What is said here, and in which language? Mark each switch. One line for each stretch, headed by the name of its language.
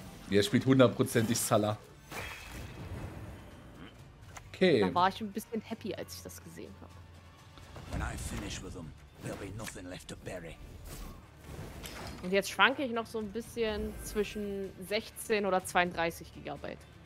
German: Der spielt hundertprozentig Salah. Okay. Da war ich ein bisschen happy, als ich das gesehen habe.
English: When I finish with them, there'll be nothing left to bury.
German: Und jetzt schwanke ich noch so ein bisschen zwischen 16 oder 32 GB.